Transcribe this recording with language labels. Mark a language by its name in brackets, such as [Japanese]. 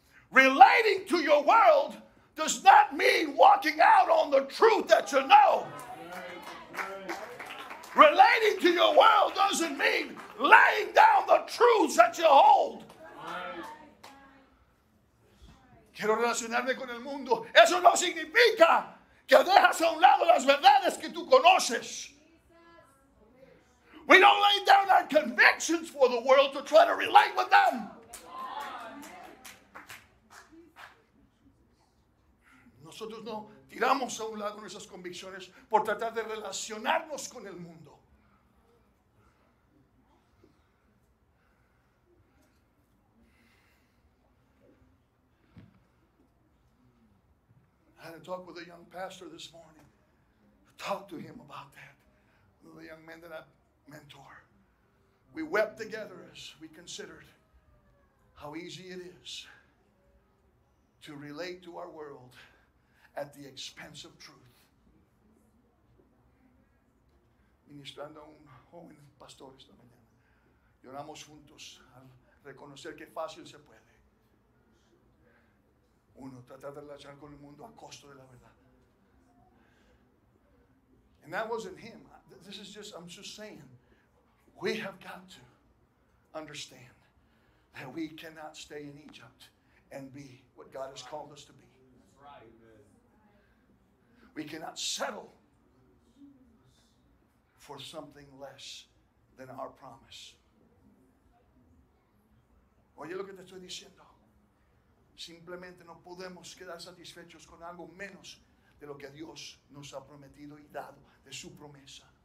[English] Relating to your world does not mean walking out on the truth that you know. Relating to your world doesn't mean laying down the truths that you hold. [Spanish] Quiero relacionarme con el mundo. Eso no significa que dejas a un lado las verdades que tú conoces. [English] We don't lay down our convictions for the world to try to relate with them. [Spanish] Nosotros no tiramos a un lado nuestras convicciones por tratar de relacionarnos con el mundo. [English] I had a talk with a young pastor this morning. Talked to him about that. One of the young men that I mentor. We wept together as we considered how easy it is to relate to our world at the expense of truth. [Spanish] Ministrando a un joven pastor esta mañana, lloramos juntos al reconocer que fácil se puede uno tratar de relacionar con el mundo a costo de la verdad. [English] And that wasn't him. This is just, I'm just saying, we have got to understand that we cannot stay in Egypt and be what God has called us to be. We cannot settle for something less than our promise. [Spanish] Oye lo que te estoy diciendo. Simplemente no podemos quedar satisfechos con algo menos de lo que Dios nos ha prometido y dado de su promesa.